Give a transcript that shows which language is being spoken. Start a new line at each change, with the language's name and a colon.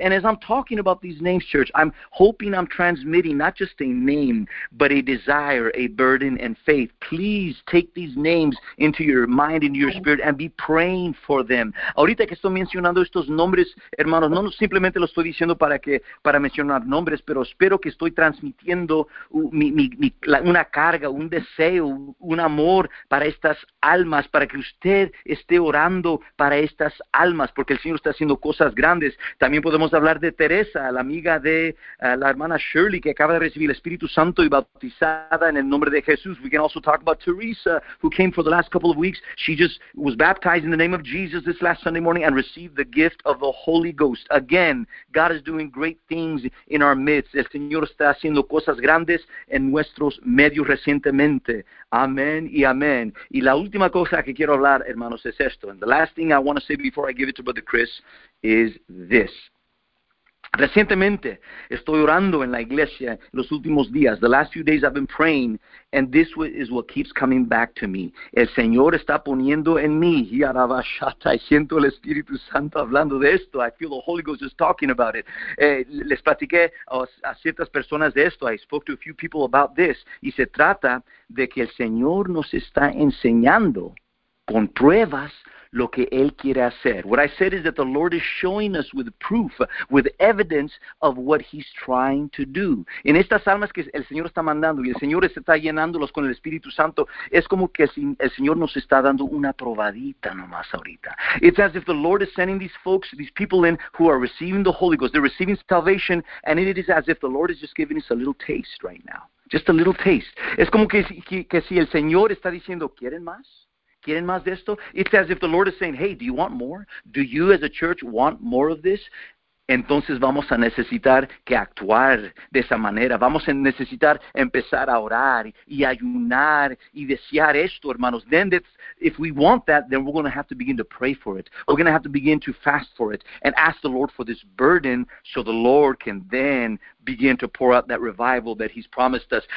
English: And as I'm talking about these names, church, I'm hoping I'm transmitting not just a name, but a desire, a burden, and faith. Please take these names into your mind and your spirit and be praying for them.
Spanish: Ahorita que estoy mencionando estos nombres, hermanos, no simplemente lo estoy diciendo para mencionar nombres, pero espero que estoy transmitiendo una carga, un deseo, un amor para estas almas, para que usted esté orando para estas almas, porque el Señor está haciendo cosas grandes. También podemos hablar de Teresa, la amiga de la hermana Shirley, que acaba de recibir el Espíritu Santo y bautizada en el nombre de Jesús.
English: We can also talk about Teresa, who came for the last couple of weeks. She just was baptized in the name of Jesus this last Sunday morning and received the gift of the Holy Ghost. Again, God is doing great things in our midst.
Spanish: El Señor está haciendo cosas grandes en nuestros medios recientemente. Amén y amén. Y la última cosa que quiero hablar, hermanos, es esto.
English: And the last thing I want to say before I give it to Brother Chris is this.
Spanish: Recientemente, estoy orando en la iglesia los últimos días.
English: The last few days I've been praying, and this is what keeps coming back to me.
Spanish: El Señor está poniendo en mí. Y siento el Espíritu Santo hablando de esto.
English: I feel the Holy Ghost is talking about it.
Spanish: Les platiqué a ciertas personas de esto.
English: I spoke to a few people about this.
Spanish: Y se trata de que el Señor nos está enseñando con pruebas lo que Él quiere hacer.
English: What I said is that the Lord is showing us with proof, with evidence of what He's trying to do.
Spanish: En estas almas que el Señor está mandando y el Señor está llenándolos con el Espíritu Santo, es como que el Señor nos está dando una probadita nomás ahorita.
English: It's as if the Lord is sending these folks, these people in who are receiving the Holy Ghost. They're receiving salvation, and it is as if the Lord is just giving us a little taste right now. Just a little taste.
Spanish: Es como que si el Señor está diciendo, ¿quieren más? ¿Quieren más de esto?
English: It's as if the Lord is saying, hey, do you want more? Do you as a church want more of this?
Spanish: Entonces vamos a necesitar que actuar de esa manera. Vamos a necesitar empezar a orar y ayunar y desear esto, hermanos.
English: Then if we want that, then we're going to have to begin to pray for it. We're going to have to begin to fast for it and ask the Lord for this burden so the Lord can then begin to pour out that revival that He's promised us.